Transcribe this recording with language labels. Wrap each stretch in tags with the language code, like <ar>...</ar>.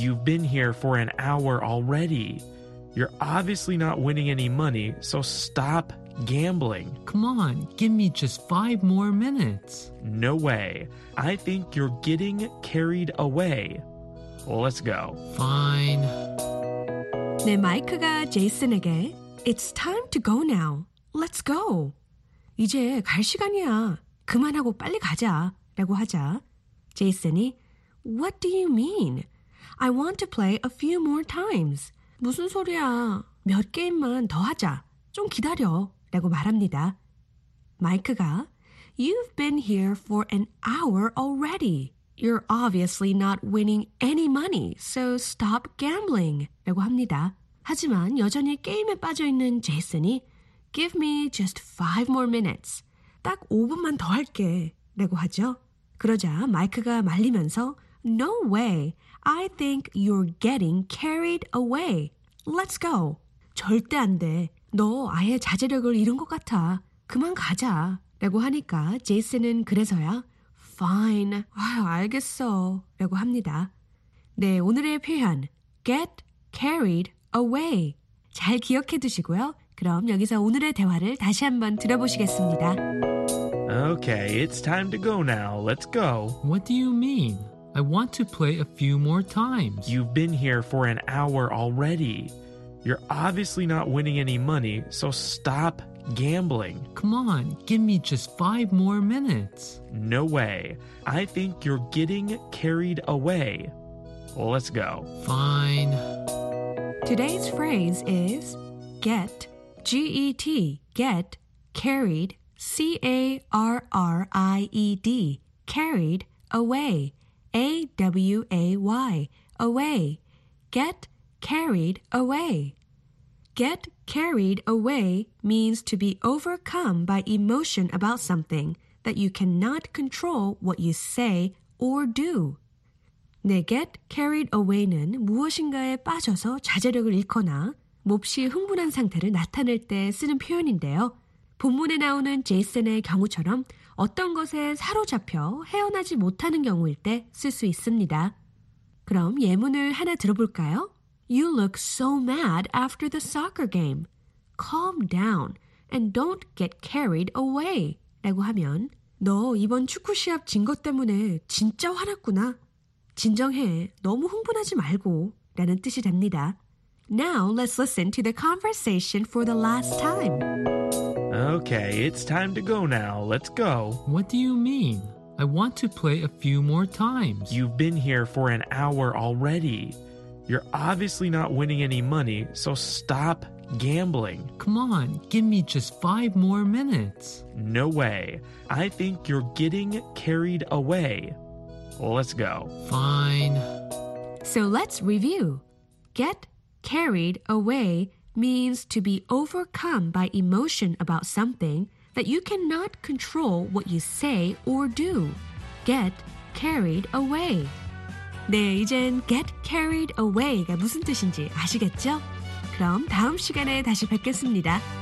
<en>You've been here for an hour already. You're obviously not winning any money, so stop gambling. Come on, give me just 5 more minutes. No way. I think you're getting carried away. Let's go. Fine.</en> <ko>네, 마이크가 제이슨에게</ko> <en>It's time to go now. Let's go.</en> <ko>이제 갈 시간이야. 그만하고 빨리 가자. 라고 하자. 제이슨이</ko> <en>What do you mean? I want to play a few more times.</en> <ko>무슨 소리야? 몇 게임만 더 하자. 좀 기다려. 라고 말합니다.</ko> <en>마이크가 You've been here for an hour already. You're obviously not winning any money, so stop gambling.</en> <ko>라고 합니다. 하지만 여전히 게임에 빠져있는 제이슨이</ko> <en>Give me just 5 more minutes.</en> <ko>딱 5분만 더 할게. 라고 하죠. 그러자 마이크가 말리면서</ko> <en>No way. I think you're getting carried away. Let's go.</en> <ko>절대 안 돼. 너 아예 자제력을 잃은 것 같아. 그만 가자. 라고 하니까 제이슨은 그래서야</ko> <en>Fine.</en> <ko>알겠어. 라고 합니다. 네, 오늘의 표현</ko> <en>Get carried away.</en> <ko>잘 기억해 두시고요. 그럼 여기서 오늘의 대화를 다시 한번 들어보시겠습니다.</ko> <en>Okay, it's time to go now. Let's go. What do you mean? I want to play a few more times. You've been here for an hour already. You're obviously not winning any money, so stop gambling. Come on, give me just 5 more minutes. No way. I think you're getting carried away. Let's go. Fine. Today's phrase is get, G-E-T, get carried, C-A-R-R-I-E-D, carried away, A-W-A-Y, away, get carried away. Get carried away means to be overcome by emotion about something that you cannot control what you say or do.</en> <ko>네, get carried away는 무엇인가에 빠져서 자제력을 잃거나 몹시 흥분한 상태를 나타낼 때 쓰는 표현인데요. 본문에 나오는 제이슨의 경우처럼 어떤 것에 사로잡혀 헤어나지 못하는 경우일 때 쓸 수 있습니다. 그럼 예문을 하나 들어볼까요?</ko> <en>You look so mad after the soccer game. Calm down and don't get carried away.</en> <ko>라고 하면 너 이번 축구 시합 진 것 때문에 진짜 화났구나. 진정해. 너무 흥분하지 말고. 라는 뜻이 됩니다.</ko> <en>Now let's listen to the conversation for the last time. Okay, it's time to go now. Let's go. What do you mean? I want to play a few more times. You've been here for an hour already. You're obviously not winning any money, so stop gambling. Come on, give me just 5 more minutes. No way. I think you're getting carried away. Let's go. Fine. So let's review. Get carried away means to be overcome by emotion about something that you cannot control what you say or do. Get carried away.</en> <ko>네, 이젠 get carried away가 무슨 뜻인지 아시겠죠? 그럼 다음 시간에 다시 뵙겠습니다.</ko>